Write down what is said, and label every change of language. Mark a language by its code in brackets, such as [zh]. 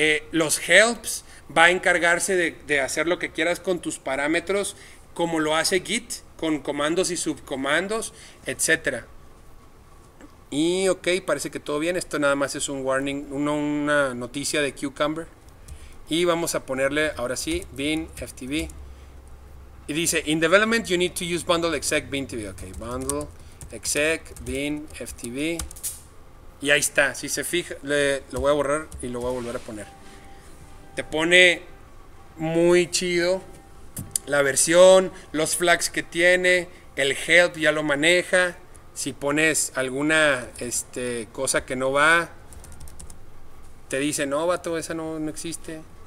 [es] Los helps va a encargarse de hacer lo que quieras con tus parámetros, como lo hace Git, con comandos y subcomandos, etc. Y ok, parece que todo bien. Esto nada más es un warning, una noticia de Cucumber. Y vamos a ponerle ahora sí, bin ftb. Y dice: [en] in development you need to use bundle exec bin ftb. Ok, bundle exec bin ftb. [es] Y ahí está, si se fija, lo voy a borrar y lo voy a volver a poner. Te pone muy chido la versión, los flags que tiene, el help ya lo maneja. Si pones alguna cosa que no va, te dice: no, vato, esa no existe.